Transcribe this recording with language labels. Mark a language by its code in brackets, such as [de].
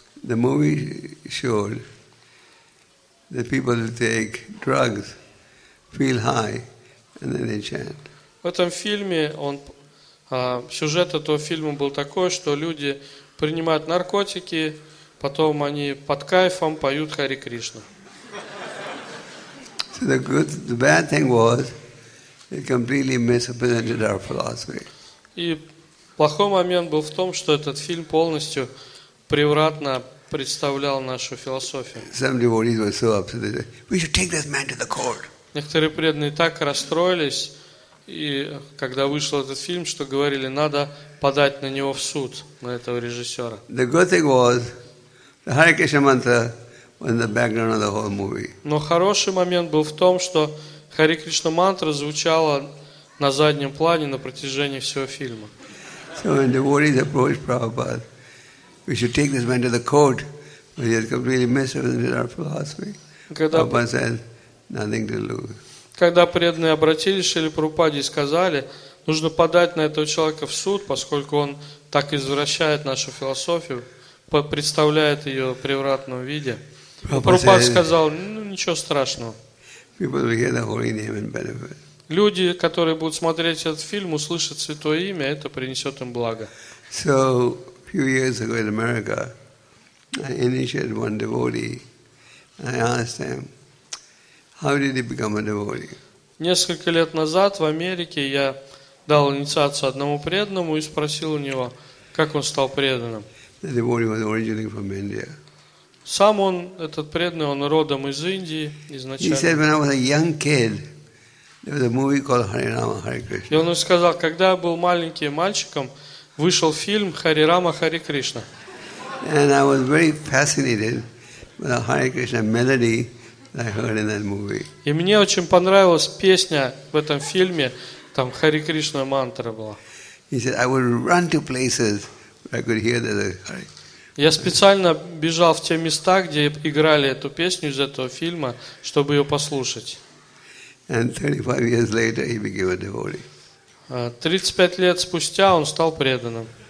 [en] The movie showed that people who take drugs feel high and then they chant. [ru] В этом фильме сюжет этого фильма был такой, что люди принимают наркотики, потом они под кайфом поют Хари Кришна. [en] So the bad thing was, it completely misrepresented our philosophy. [ru] И плохой момент был в том, что этот фильм полностью превратно представлял нашу философию. [en] Some devotees were so upset that we should take this man to the court. [ru] Некоторые преданные так расстроились, и когда вышел этот фильм, что говорили, надо подать на него в суд, на этого режиссера. [en] The good thing was, the Hare Krishna mantra was in the background of the whole movie. [ru] Но хороший момент был в том, что Хари Кришна мантра звучала на заднем плане на протяжении всего фильма. [en] So when devotees approached Prabhupada, we should take this man to the court, but he has completely misrepresented our philosophy. Prabhupada said, nothing to lose. [ru] Когда преданные обратились к Шриле Прабхупаде и сказали, нужно подать на этого человека в суд, поскольку он так извращает нашу философию, представляет ее в превратном виде. Прабхупада сказал, ну ничего страшного. [en] People will hear the holy name and benefit. [ru] Люди, которые будут смотреть этот фильм, услышат святое имя, это принесет им благо. [en] So, a few years ago in America, I initiated one devotee, and I asked him, how did he become a devotee? [ru] Несколько лет назад в Америке я дал инициацию одному преданному и спросил у него, как он стал преданным. [en] The devotee was originally from India. [ru] Сам он, этот преданный, он родом из Индии изначально. [en] He said, when I was a young kid, there was a movie called Hare Rama, Hare Krishna. [ru] И он сказал, когда я был маленьким мальчиком, вышел фильм Hare Rama, Hare Krishna. [en] And I was very fascinated with the Hare Krishna melody that I heard in that movie. [ru] И мне очень понравилась песня в этом фильме, там Hare Krishna мантра была. [en] He said, I would run to places where I could hear the Hare Krishna. [ru] Я специально бежал в те места, где играли эту песню из этого фильма, чтобы ее послушать. 35 лет спустя он стал преданным.